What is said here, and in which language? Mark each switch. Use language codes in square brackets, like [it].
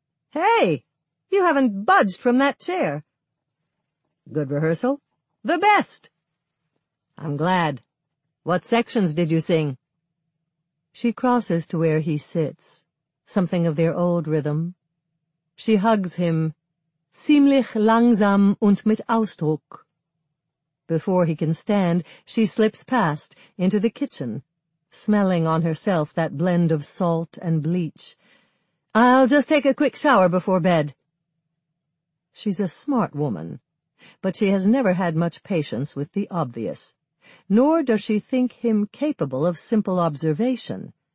[en] Hey! You haven't budged from that chair! Good rehearsal? The best! I'm glad. What sections did you sing? She crosses to where he sits, something of their old rhythm. She hugs him, [de] ziemlich langsam und mit Ausdruck. [en] Before he can stand, she slips past into the kitchen, smelling on herself that blend of salt and bleach. I'll just take a quick shower before bed. She's a smart woman, but she has never had much patience with the obvious, nor does she think him capable of simple observation.